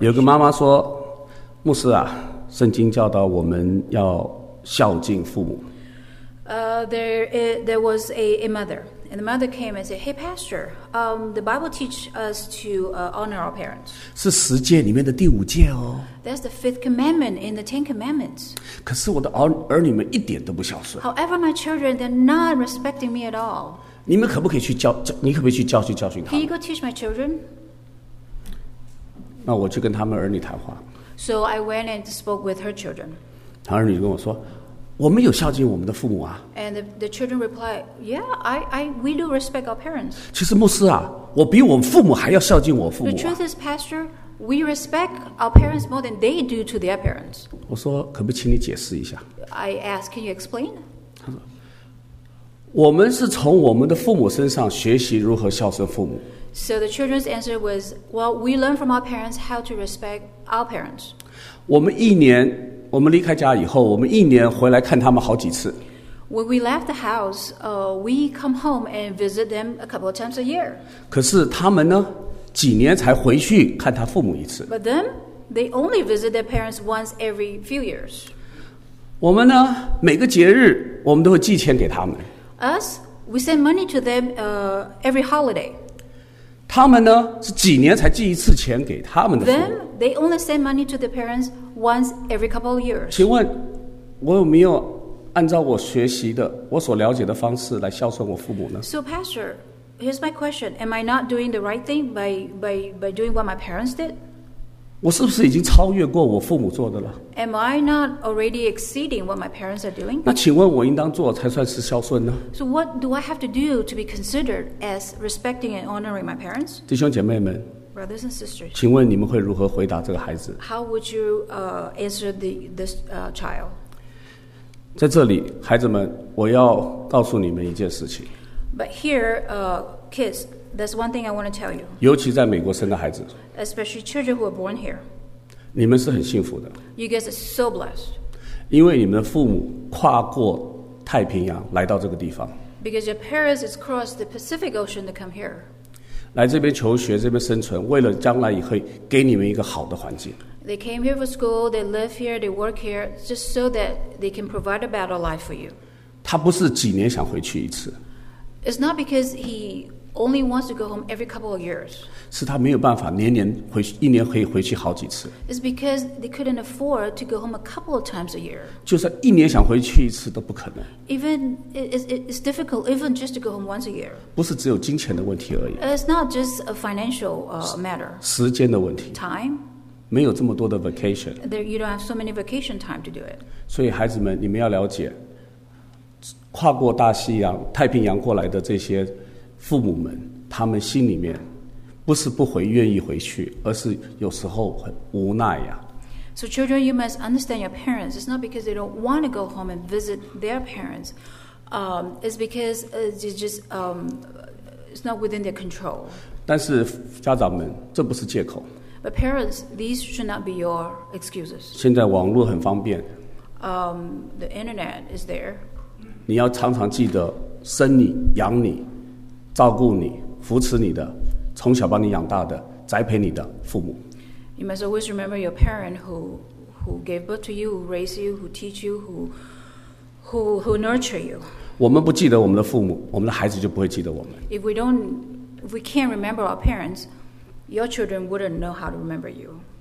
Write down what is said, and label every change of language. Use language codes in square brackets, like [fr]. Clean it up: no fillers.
[zh] 有个妈妈说，牧师啊，圣经教导我们要孝敬父母。 [en] There was a mother, and the mother came and said, "Hey, pastor, the Bible teaches us to honor our parents." [zh] 是十诫里面的第五诫哦。 [en] That's the fifth commandment in the Ten Commandments. [zh] 可是我的儿女们一点都不孝顺。 [en] However, my children, they're not respecting me at all. [zh] 你们可不可以去你可不可以去教训他们？ [en] Can you go teach my children? [zh] 那我去跟他们儿女谈话。 [en] So I went and spoke with her children. [zh] 他儿女跟我说。我们有孝敬我们的父母啊。 [en] And the children reply, "Yeah, we do respect our parents." [zh] 其实牧师啊，我比我们父母还要孝敬我父母、啊。 [en] The truth is, Pastor, we respect our parents more than they do to their parents. [zh] 我说，可不，请你解释一下。 [en] I ask, can you explain? [zh] 他说，我们是从我们的父母身上学习如何孝顺父母。 [en] So the children's answer was, "Well, we learn from our parents how to respect our parents." [zh] 我们一年。我们离开家以后，我们一年回来看他们好几次。 [en] When we left the house, we come home and visit them a couple of times a year. [zh] 可是他们呢，几年才回去看他父母一次。 [en] But then, they only visit their parents once every few years. [zh] 我们呢，每个节日我们都会寄钱给他们。 [en] Us, we send money to them, every holiday. [zh] 他们呢，是几年才寄一次钱给他们的父母。 [en] Then, they only send money to their parents. Once every couple of years. [zh] 请问，我有没有按照我学习的、我所了解的方式来孝顺我父母呢 [en] ？So, Pastor, here's my question: Am I not doing the right thing by doing what my parents did? [zh] 我是不是已经超越过我父母做的了？ [en] Am I not already exceeding what my parents are doing? [zh] 那请问我应当做才算是孝顺呢？ [en] So what do I have to do to be considered as respecting and honoring my parents? [zh] 弟兄姐妹们， [en] Brothers and sisters, [zh] 请问你们会如何回答这个孩子？ [en] How would you answer this child? [zh] 在这里，孩子们，我要告诉你们一件事情。 [en] But here, kids, that's one thing I want to tell you. [zh] 尤其在美国生的孩子。 [en] Especially children who are born here. [zh] 你们是很幸福的。 [en] You guys are so blessed. [zh] 因为你们的父母跨过太平洋来到这个地方。 [en] Because your parents has crossed the Pacific Ocean to come here. [zh] 来这边求学，这边生存，为了将来也可以给你们一个好的环境。 [en] They came here for school, they live here, they work here, just so that they can provide a better life for you. [zh] 他不是几年想回去一次。 [en] It's not because he only wants to go home every couple of years. [zh] 是他没有办法年年回去，一年可以回去好几次。 [en] It's because they couldn't afford to go home a couple of times a year. [zh] 就算一年想回去一次都不可能。 [en] Even it's difficult even just to go home once a year. [zh] 不是只有金钱的问题而已。 [en] It's not just a financial matter. [zh] 时间的问题。 [en] Time. [zh] 没有这么多的 vacation. [en] There, you don't have so many vacation time to do it. [zh] 所以孩子们，你们要了解，跨过大西洋、太平洋过来的这些父母们，他们心里面不是不回愿意回去，而是有时候很无奈呀。 [en] So children, you must understand your parents. It's not because they don't want to go home and visit their parents. It's because it's not within their control. [zh] 但是家长们，这不是借口。 [en] But parents, these should not be your excuses. [zh] 现在网络很方便。 [en] The internet is there. [zh] 你要常常记得生你、养你。照顾你、扶持你的、从小把你养大的、栽培你的父母。 [en] You must always remember your parent who gave birth to you, who raised you, who teach you, who nurture you. [zh] 我们不记得我们的父母，我们的孩子就不会记得我们。 [en] If we can't remember our parents, your children wouldn't know how to remember you.